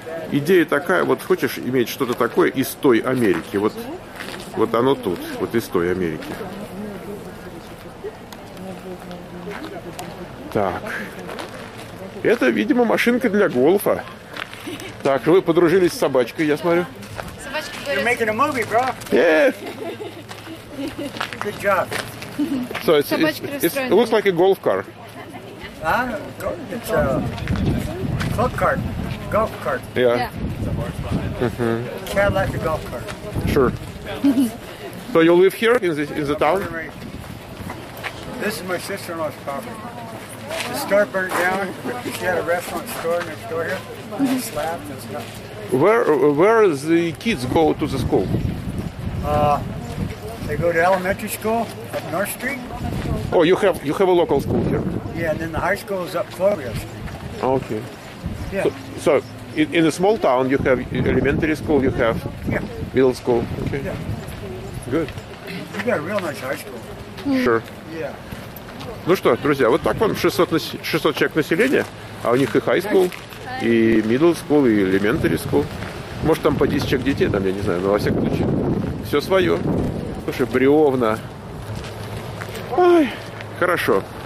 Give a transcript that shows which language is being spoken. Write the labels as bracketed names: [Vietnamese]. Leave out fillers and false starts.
[Russian] Идея такая, вот хочешь иметь что-то такое из той Америки. Вот оно тут, вот из той Америки. Так. Это, видимо, машинка для гольфа. Так, вы подружились с собачкой, я смотрю. Собачка говорит. [English] You're making a movie, bro. Yeah. Good job. So it looks like a golf car. It's a golf cart. Yeah. Yeah. Mm-hmm. Cadillac a golf cart. Sure. So you live here in the town? This is my sister-in-law's property. The store burnt down. She had a restaurant store next door here. Slab. Where the kids go to the school? They go to elementary school up North Street. Oh, you have a local school here. Yeah, and then the high school is up Florida Street. Okay. Yeah. So in a small town, you have elementary school, you have middle school. Okay. Yeah. Good. You got a real nice high school. Sure. Yeah. [Russian] Ну что, друзья, вот так вам 600 человек населения, а у них и high school, и middle school, и elementary school. Может, там по 10 человек детей, там, я не знаю, но во всяком случае, все свое. Слушай, бревна. Ой, хорошо.